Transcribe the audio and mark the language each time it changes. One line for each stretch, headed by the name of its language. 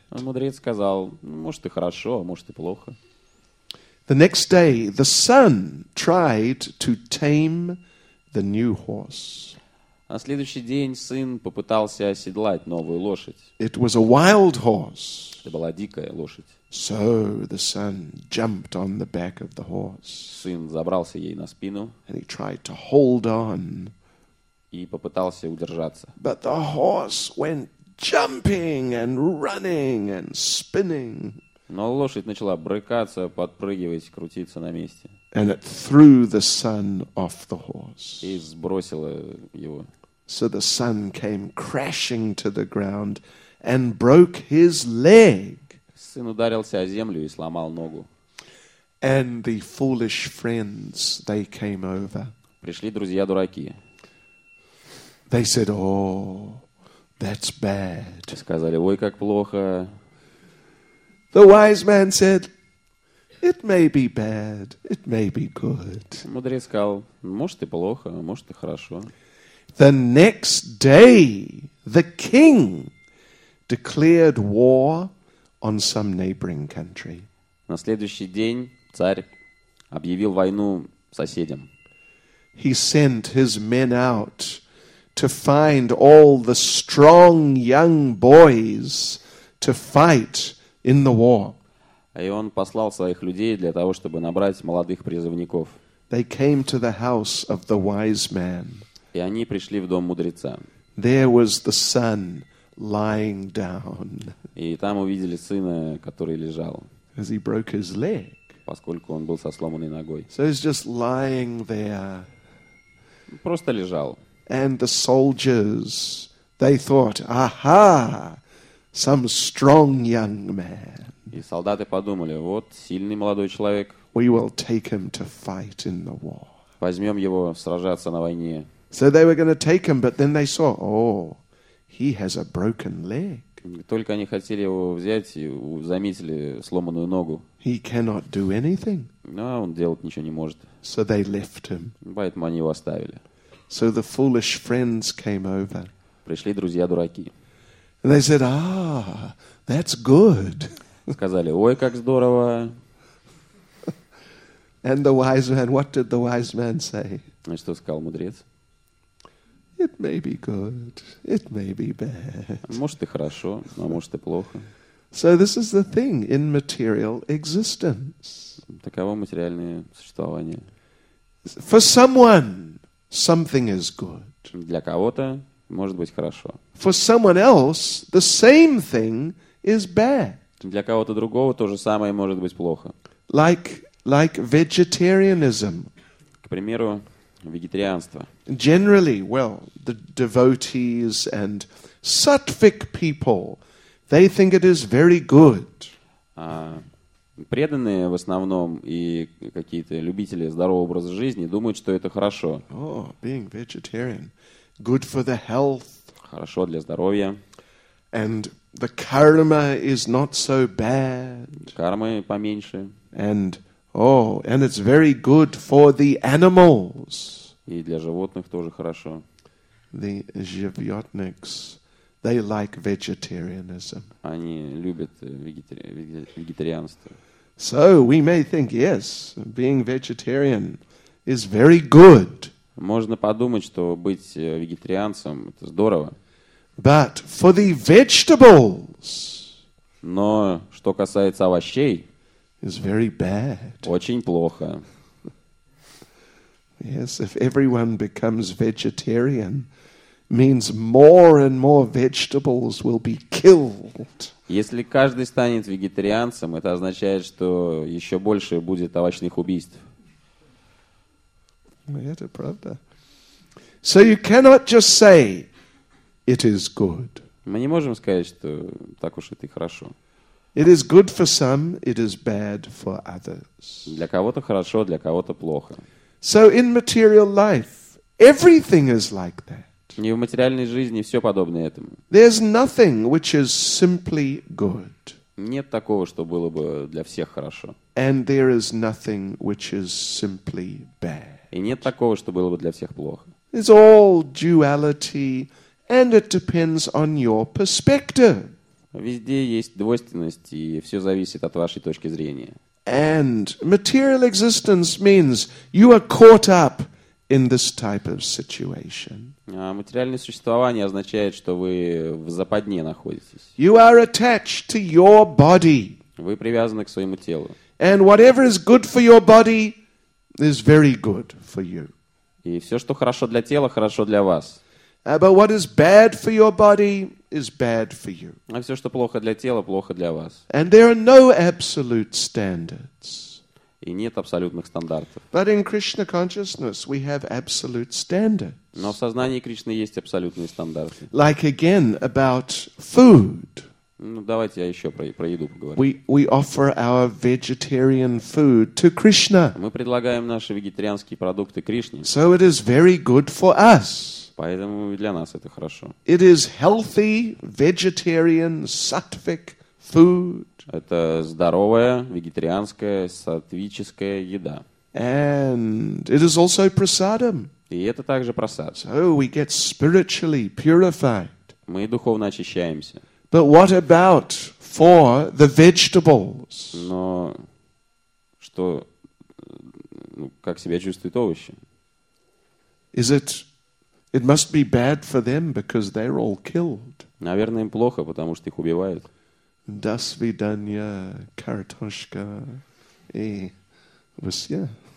Russian: А мудрец сказал, может и хорошо, а может и плохо.
English: The next day, the son tried to tame the new horse.
Russian: На следующий день сын попытался оседлать новую лошадь.
English: It was a wild horse.
Russian: Это была дикая лошадь.
English: So the son jumped on the back of the horse.
Russian: Сын забрался ей на спину.
English: And he tried to hold on.
Russian: И попытался удержаться.
English: But the horse went jumping and running and spinning.
Russian: Но лошадь начала брыкаться, подпрыгивать, крутиться на месте.
English: And it threw the son off the horse.
Russian: И сбросило его.
English: So the son came crashing to the ground and broke his leg.
Russian: Сын ударился о землю и сломал ногу.
English: And the foolish friends, they came over.
Russian: Пришли друзья-дураки.
English: They said, "Oh, that's bad."
Russian: Сказали: "Ой, как плохо."
English: The wise man said, "It may be bad, it may be good."
Russian: Мудрец сказал: "Может и плохо, а может и хорошо."
English: The next day, the king declared war on some neighboring country.
Russian: На следующий день царь объявил войну соседям.
English: He sent his men out to find all the strong young boys to fight in the war.
Russian: И он послал своих людей для того, чтобы набрать молодых призывников.
English: They came to the house of the wise man.
Russian: И они пришли в дом мудреца.
English: There was the son lying down.
Russian: И там увидели сына, который лежал.
English: As he broke his leg.
Russian: Поскольку он был со сломанной ногой.
English: So he's just lying there.
Russian: Просто лежал.
English: And the soldiers, they thought, aha, some strong young man.
Russian: И солдаты подумали: вот сильный молодой человек.
English: We will take him to fight in the war.
Russian: Возьмем его сражаться на войне.
English: So they were going to take him, but then they saw, oh, he has a broken leg.
Russian: Только они хотели его взять и заметили сломанную ногу.
English: He cannot do anything.
Russian: Но он делать ничего не может.
English: So they left him.
Russian: Поэтому они его оставили.
English: So the foolish friends came over.
Russian: Пришли друзья-дураки.
English: And they said, ah, that's good.
Russian: Сказали: ой, как здорово.
English: And the wise man, what did the wise man say?
Russian: И что сказал мудрец?
English: It may be good, it may be bad.
Russian: Может и хорошо, а может и плохо.
English: So this is the thing in material existence.
Russian: Таково материальное существование.
English: For someone, something is good.
Russian: Для кого-то может быть хорошо.
English: For someone else, the same thing is bad.
Russian: Для кого-то другого то же самое может быть плохо.
English: Like vegetarianism.
Russian: К примеру, вегетарианство.
English: Generally, well, the devotees and sattvic people, they think it is very good.
Russian: Преданные в основном и какие-то любители здорового образа жизни думают, что это хорошо.
English: Oh, being vegetarian, good for the health.
Russian: Хорошо для здоровья.
English: And the karma is not so bad.
Russian: Кармы поменьше.
English: And oh, and it's very good for the animals.
Russian: И для животных тоже хорошо.
English: The животniks, they like vegetarianism.
Russian: Они любят вегетарианство.
English: So we may think, yes, being vegetarian is very good.
Russian: Можно подумать, что быть вегетарианцем это здорово.
English: But for the vegetables.
Russian: Но что касается овощей,
English: is very bad.
Russian: Очень плохо.
English: Yes, if everyone becomes vegetarian, means more and more vegetables will be killed.
Russian: Если каждый станет вегетарианцем, это означает, что еще больше будет овощных убийств. Это правда.
English: So you cannot just say it is good.
Russian: Мы не можем сказать, что так уж это и хорошо.
English: It is good for some, it is bad for others.
Russian: Для кого-то хорошо, для кого-то плохо.
English: So in material life, everything is like that.
Russian: И в материальной жизни все подобно этому.
English: There's nothing which is simply good.
Russian: Нет такого, что было бы для всех хорошо.
English: And there is nothing which is simply bad.
Russian: И нет такого, что было бы для всех плохо.
English: It's all duality, and it depends on your perspective.
Russian: Везде есть двойственность, и все зависит от вашей точки зрения.
English: And material existence means you are caught up in this type of situation.
Russian: А материальное существование означает, что вы в западне находитесь.
English: You are attached to your body.
Russian: Вы привязаны к своему телу.
English: And whatever is good for your body is very good for you.
Russian: И все, что хорошо для тела, хорошо для вас.
English: But what is bad for your body is bad for you.
Russian: А все, что плохо для тела, плохо для вас.
English: And there are no absolute standards.
Russian: и нет абсолютных стандартов.
English: But in Krishna consciousness we have absolute standards.
Russian: Но в сознании Кришны есть абсолютные стандарты.
English: Like again about food.
Russian: Ну давайте я еще про еду поговорим.
English: We offer our vegetarian food to Krishna.
Russian: Мы предлагаем наши вегетарианские продукты Кришне.
English: So it is very good for us.
Russian: Поэтому для нас это хорошо.
English: It is healthy vegetarian sattvic food.
Russian: Это здоровая вегетарианская сатвическая еда.
English: And it is also prasadam.
Russian: И это также прасад.
English: So we get spiritually purified.
Russian: Мы духовно очищаемся.
English: But what about for the vegetables?
Russian: Но что, ну, как себя чувствуют овощи?
English: Is it? It must be bad for them because they're all killed.
Russian: Наверное, им плохо, потому что их убивают. До свидания, картошка и вся.